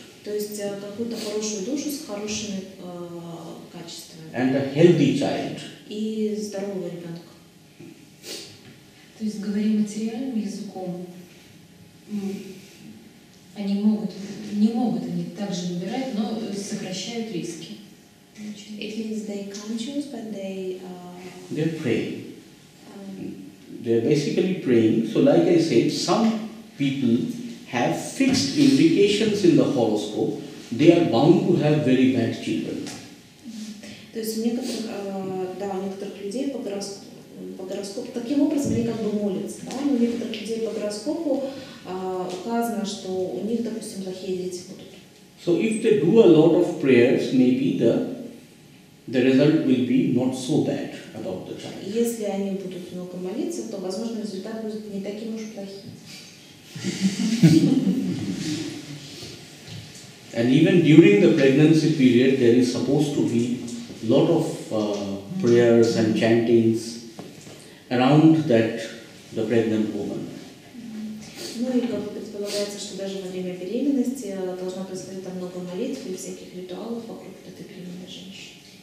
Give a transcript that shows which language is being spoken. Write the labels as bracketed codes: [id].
[ru] То есть какую-то хорошую душу с хорошими качествами. [en] And a healthy child. [ru] И здорового ребенка. То есть говори материальным языком. Они могут, не могут они также выбирать, но сокращают риски. [en] It means they can't choose, but they... They're praying. They're basically praying. So like I said, some people have fixed indications in the horoscope. They are bound to have very bad children. [ru] То есть у некоторых, да, у некоторых людей по гороскопу, таким образом они как бы молятся, да, но у некоторых людей по гороскопу указано, что у них, допустим, плохие дети будут. [en] So if they do a lot of prayers, maybe the result will be not so bad about the child. [ru] Если они будут много молиться, то, возможно, результат будет не таким уж плохим. [en] And even during the pregnancy period, there is supposed to be a lot of prayers and chantings around that the pregnant woman. [ru] Ну и как бы предполагается, что даже во время беременности должно происходить там много молитв и всяких ритуалов вокруг этой беременной женщины.